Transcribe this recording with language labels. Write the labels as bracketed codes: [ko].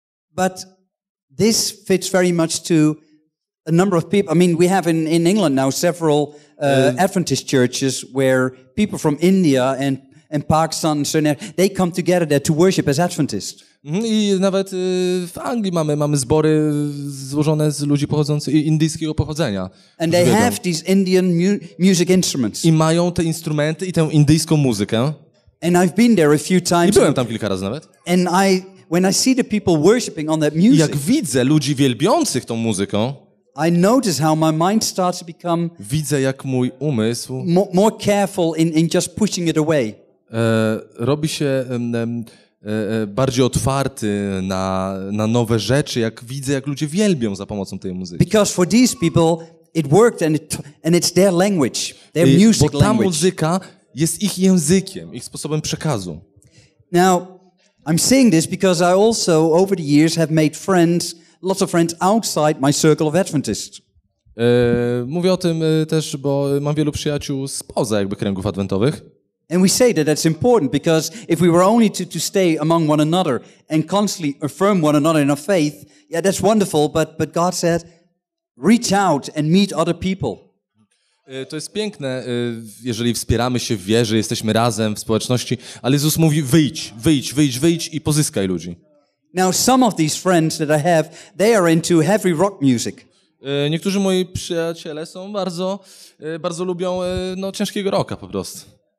[en] But this fits very much to a number of people. I mean, we have in England now several Adventist churches where people from India and Pakistan, they come together there to worship as Adventists. [pl] I nawet w Anglii mamy zbory złożone z ludzi pochodzących indyjskiego pochodzenia. [en] And they have these Indian music instruments. [pl] I mają te instrumenty i tę indyjską muzykę. [en] And I've been there a few times. [pl] I byłem tam kilka razy nawet. [en] And when I see the people worshiping on that music. [pl] Jak widzę ludzi wielbiących tą muzyką. [en] I notice how my mind starts to become. [pl] Widzę jak mój umysł. [en] More careful in just pushing it away. [pl] Robi się bardziej otwarty na nowe rzeczy, jak widzę, jak ludzie wielbią za pomocą tej muzyki. [en] Because for these people it worked and it's their language, their music language. [pl] Bo ta muzyka jest ich językiem, ich sposobem przekazu. [en] Now, I'm saying this because I also, over the years, have made friends, lots of friends outside my circle of Adventists. [pl] Mówię o tym też, bo mam wielu przyjaciół spoza jakby kręgów adwentowych. [en] And we say that that's important because if we were only to stay among one another and constantly affirm one another in our faith, yeah, that's wonderful, but God said, reach out and meet other people. [pl] To jest piękne, jeżeli wspieramy się w wierze, jesteśmy razem w społeczności, ale Jezus mówi, wyjdź i pozyskaj ludzi. [en] Now some of these friends that I have, they are into heavy rock music. [pl] Niektórzy moi przyjaciele są bardzo, bardzo lubią no, ciężkiego rocka po prostu.